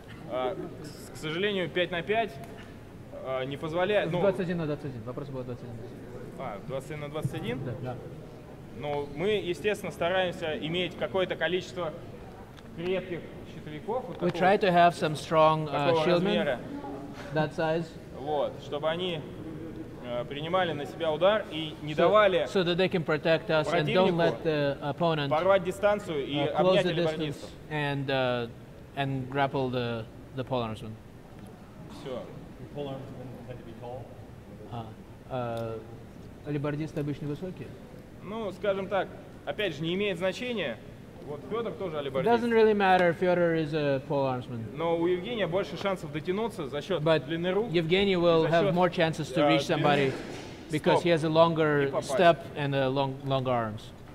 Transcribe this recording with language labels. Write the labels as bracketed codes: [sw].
[ru] Приготовьтесь. К сожалению, 5 на 5 не позволяет. 21 на 21. Вопрос был 21 на 21. 21 на 21? Да. Ну, мы, естественно, стараемся иметь какое-то количество крепких щитовиков. [en] We try to have some strong shieldmen that size. [ru] Вот, чтобы они принимали на себя удар и не давали противнику порвать дистанцию и обнять алибардиста. [en] and grapple the pole arms one. [ru] Все. [en] Pole arms had to be tall. [ru] Алибардисты обычно высокие? Ну, скажем так, опять же, не имеет значения. Вот Федор тоже алибардист. [en] Doesn't really matter. Федор is a pole armsman. [ru] Но у Евгения больше шансов дотянуться за счет длины рук. [en] But Евгений will have more chances to reach somebody because he has a longer step and a long arms.